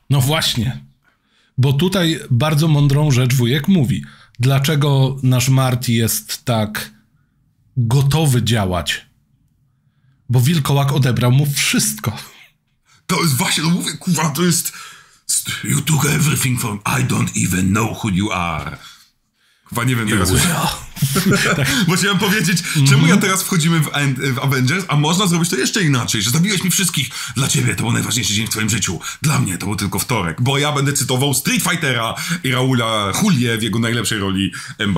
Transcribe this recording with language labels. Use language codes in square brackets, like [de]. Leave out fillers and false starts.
[pl] No właśnie. Bo tutaj bardzo mądrą rzecz wujek mówi. Dlaczego nasz Marty jest tak gotowy działać? Bo wilkołak odebrał mu wszystko. To jest właśnie, no mówię, kurwa, to jest... [en] You took everything from... I don't even know who you are. [pl] Kurwa, nie wiem you teraz. Bo chciałem powiedzieć, czemu ja teraz wchodzimy w Avengers, a można zrobić to jeszcze inaczej, że zabiłeś mi wszystkich. Dla ciebie to był najważniejszy dzień w twoim życiu. Dla mnie to był tylko wtorek, bo ja będę cytował Street Fightera i Raula Julię w jego najlepszej roli M.